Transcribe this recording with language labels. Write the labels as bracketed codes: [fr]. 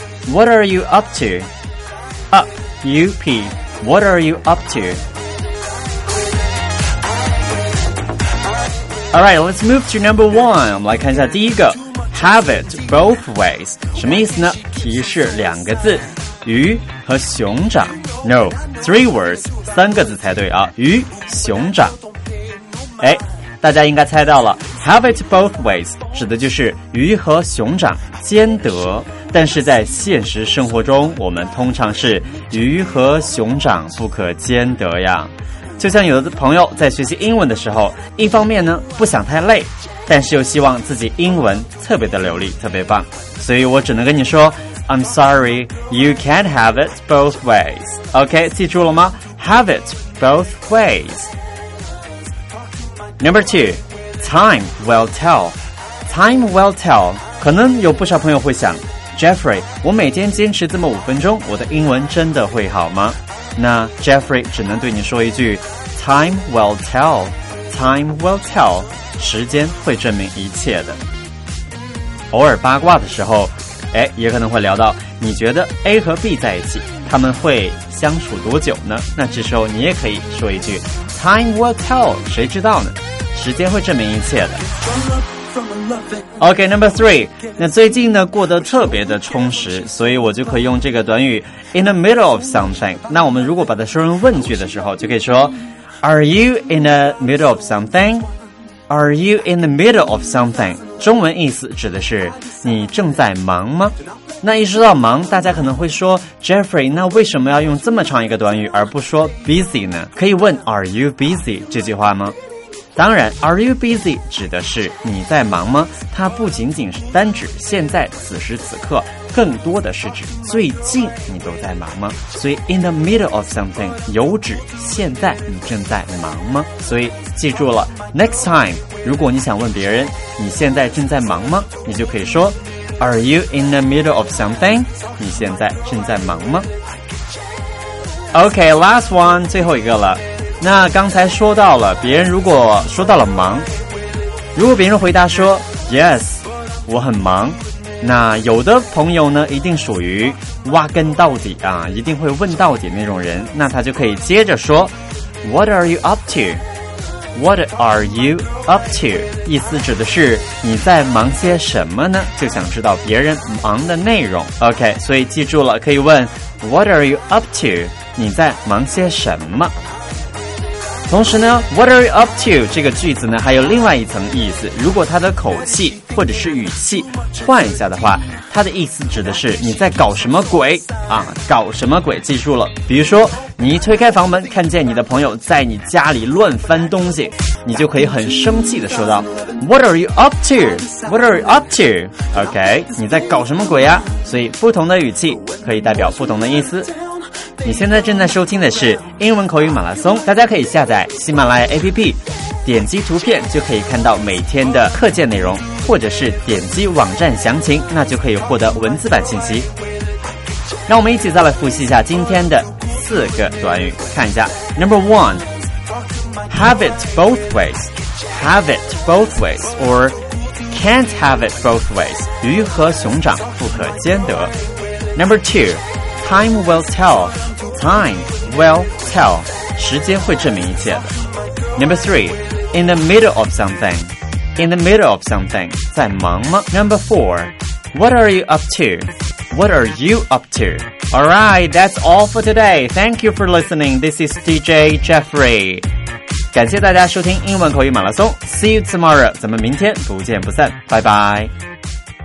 [en] What are you up to? Up, U-P, what are you up to? All right, let's move to number one. [zh] 我们来看一下第一个 [en] Have it both ways. [zh] 什么意思呢？提示两个字，鱼和熊掌。 [en] No, three words, [zh] 三个字才对啊，鱼，熊掌。哎，大家应该猜到了 ， [en] have it both ways [zh] 指的就是鱼和熊掌兼得。但是在现实生活中，我们通常是鱼和熊掌不可兼得呀。就像有的朋友在学习英文的时候，一方面呢不想太累，但是又希望自己英文特别的流利，特别棒。所以我只能跟你说 [en] ，I'm sorry, you can't have it both ways. OK， [zh] 记住了吗 [en] ？Have it both ways. Number two, time will tell. Time will tell. [zh] 可能有不少朋友会想 ,Jeffrey, 我每天坚持这么五分钟，我的英文真的会好吗？那 Jeffrey 只能对你说一句 , [en] time will tell. Time will tell. [zh] 时间会证明一切的。偶尔八卦的时候，哎，也可能会聊到，你觉得 A 和 B 在一起，他们会相处多久呢？那这时候你也可以说一句 [en] Time will tell, [zh] 谁知道呢？时间会证明一切的。 [en] OK, number three. [zh] 那最近呢，过得特别的充实，所以我就可以用这个短语 [en] in the middle of something. [zh] 那我们如果把它说成问句的时候，就可以说 [en] Are you in the middle of something? Are you in the middle of something? [zh] 中文意思指的是你正在忙吗？那一说到忙，大家可能会说 Jeffrey, 那为什么要用这么长一个短语而不说 busy 呢？可以问 [en] Are you busy [zh] 这句话吗？当然 Are you busy 指的是你在忙吗？它不仅仅是单指现在此时此刻，更多的是指最近你都在忙吗？所以 [en] in the middle of something [zh] 有指现在你正在忙吗？所以记住了 [en] next time [zh] 如果你想问别人你现在正在忙吗，你就可以说 [en] Are you in the middle of something? [zh] 你现在正在忙吗？ [en] OK, last one, [zh] 最后一个了。那刚才说到了，别人如果说到了忙，如果别人回答说 Yes, 我很忙，那有的朋友呢，一定属于挖根到底啊，一定会问到底那种人，那他就可以接着说 [en] What are you up to? What are you up to? [zh] 意思指的是你在忙些什么呢？就想知道别人忙的内容。 OK, 所以记住了，可以问 [en] What are you up to? [zh] 你在忙些什么？同时呢 [en] What are you up to? [zh] 这个句子呢还有另外一层意思，如果它的口气或者是语气换一下的话，它的意思指的是你在搞什么鬼啊？搞什么鬼，记住了。比如说你一推开房门，看见你的朋友在你家里乱翻东西，你就可以很生气地说道 [en] What are you up to? What are you up to? OK, [zh] 你在搞什么鬼啊？所以不同的语气可以代表不同的意思。你现在正在收听的是英文口语马拉松，大家可以下载喜马拉雅 APP, 点击图片就可以看到每天的课件内容，或者是点击网站详情，那就可以获得文字版信息。让我们一起再来复习一下今天的四个短语，看一下 [en] Number one, Have it both ways. Have it both ways, or Can't have it both ways. [zh] 鱼和熊掌不可兼得。 [en] Number two, Time will tell. Time will tell. [zh] 时间会证明一切的。 [en] Number three, In the middle of something. In the middle of something. [zh] 在忙吗 [en] Number 4. What are you up to? What are you up to? Alright, that's all for today. Thank you for listening. This is DJ Jeffrey. [zh] 感谢大家收听英文口语马拉松。 [en] See you tomorrow. [zh] 咱们明天不见不散。 [en] Bye bye.